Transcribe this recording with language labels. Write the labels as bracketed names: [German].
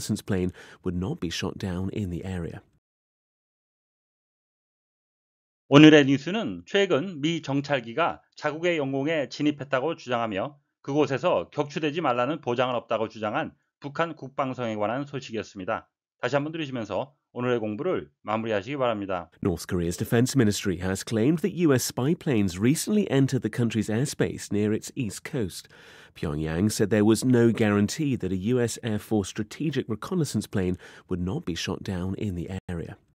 [English] Pyongyang said there was no guarantee that a U.S. Air Force strategic reconnaissance plane would not be shot down in the area. [Korean] 오늘의 뉴스는 최근 미 정찰기가 자국의 영공에 진입했다고 주장하며 그곳에서 격추되지 말라는 보장은 없다고 주장한 북한 국방성에 관한 소식이었습니다. 다시 한번 들으시면서 오늘의 공부를 마무리하시기 바랍니다. [English] North Korea's Defense Ministry has claimed that U.S. spy planes recently entered the country's airspace near its east coast. Pyongyang said there was no guarantee that a U.S. Air Force strategic reconnaissance plane would not be shot down in the area.